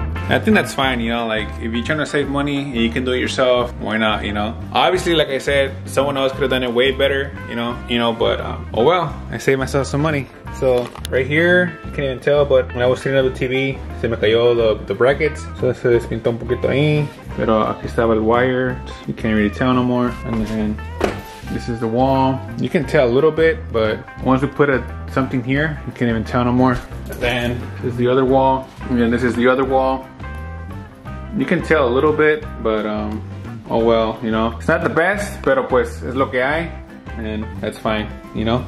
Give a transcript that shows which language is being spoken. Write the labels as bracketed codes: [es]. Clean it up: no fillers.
[en] I think that's fine, you know, like, if you're trying to save money and you can do it yourself, why not, you know? Obviously, like I said, someone else could have done it way better, you know, but, oh well, I saved myself some money. So, right here, you can't even tell, but when I was sitting on the TV, [es] se me cayó [en] the brackets. So, [es] se despintó un poquito ahí, pero aquí estaba el wire. [en] You can't really tell no more. And then, this is the wall. You can tell a little bit, but once we put something here, you can't even tell no more. Then this is the other wall, and then this is the other wall. You can tell a little bit, but oh well, you know, it's not the best, [es] pero pues es lo que hay, [en] and that's fine, you know.